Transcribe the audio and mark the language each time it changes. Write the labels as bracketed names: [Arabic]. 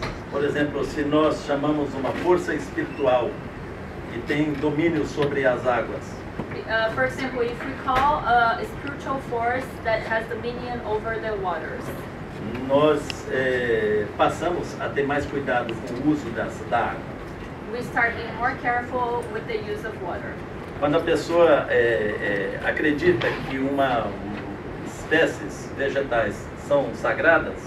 [Portuguese] Por exemplo, se nós chamamos uma força espiritual que tem domínio sobre as águas. [English] For example, if we call a spiritual force that has dominion over the waters. [Portuguese] Nós passamos a ter mais cuidado com o uso da água. [English] We start being more careful with the use of water. [Portuguese] Quando a pessoa acredita que uma espécies vegetais são sagradas.